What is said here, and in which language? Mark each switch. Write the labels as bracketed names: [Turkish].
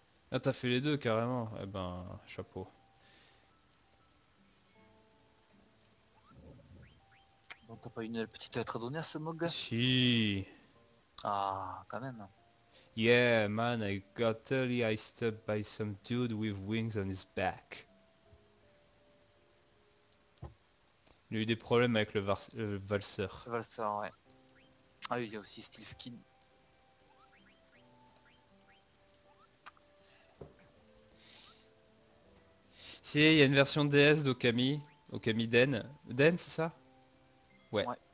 [French] Ah, t'as fait les deux carrément. Eh ben, chapeau. Donc t'as pas une petite lettre à donner à ce mug? Si. Ah, quand même. [English] Yeah, man, I got totally iced up by some dude with wings on his back. [French] Il a eu des problèmes avec le valseur. Valseur, ouais. Ah oui, il y a aussi Steel Skin. Si, il y a une version DS d'Okami, Okami Den. Den, c'est ça? Ouais.